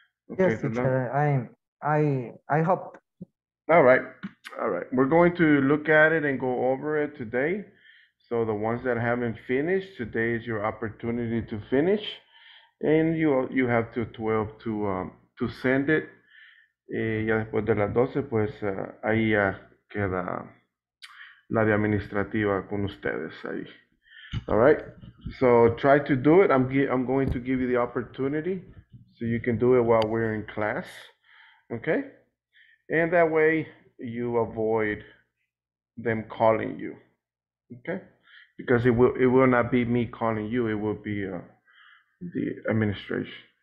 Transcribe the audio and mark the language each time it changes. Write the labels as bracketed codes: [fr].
[en] Okay, Yes, Rolando? teacher, I hope. All right. All right. We're going to look at it and go over it today. So the ones that haven't finished, today is your opportunity to finish. And you have to 12 to send it. [es] Ya después de las 12, pues ahí ya queda la de administrativa con ustedes ahí. [en] All right, so try to do it. I'm going to give you the opportunity so you can do it while we're in class, okay? And that way you avoid them calling you, okay? Because it will not be me calling you, it will be the administration.